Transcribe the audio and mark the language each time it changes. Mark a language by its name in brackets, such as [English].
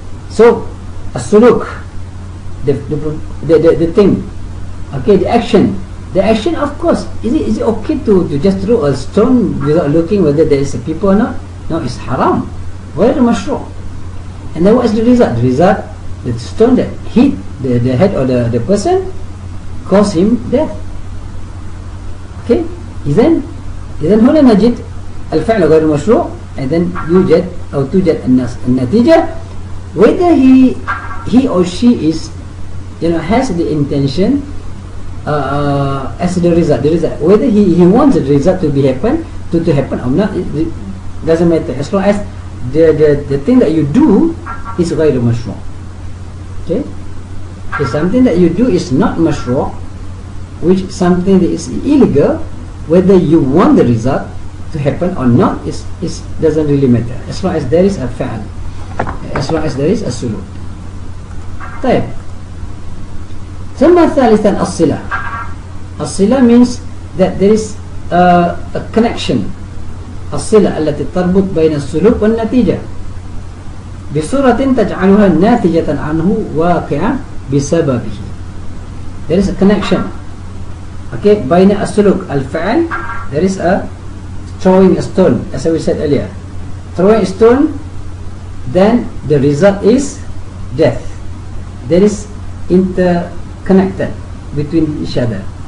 [English] So a suluk, the thing, okay, the action, of course, is it okay to just throw a stone without looking whether there is a people or not? No, it's haram. Ghair mashru'. And then what is the result? The result the stone that hit the head of the person caused him death. [Arabic] Okay, إذن هنا نجد الفعل غير مشروع. [English] And then [Arabic] يوجد أو توجد الناس النتيجة [English] whether he or she is, you know, has the intention as the result whether he wants the result to be happen to happen or not, it doesn't matter as long as the thing that you do is [Arabic] غير مشروع. [English] Okay, if something that you do is not مشروع, which something that is illegal, whether you want the result to happen or not, is doesn't really matter as long as there is a fa'al, as long as there is a suluk. [Arabic] طيب ثم ثالثا الصلة. [English] الصلة means that there is a connection. [Arabic] الصلة التي تربط بين السلوك والنتيجة بصورة تجعلها ناتجة عنه واقعة بسببه. [English] There is a connection. Okay, [Arabic] بين السلوك الفعل, [English] there is a throwing a stone, as we said earlier. Throwing a stone, then the result is death. There is interconnected between each other.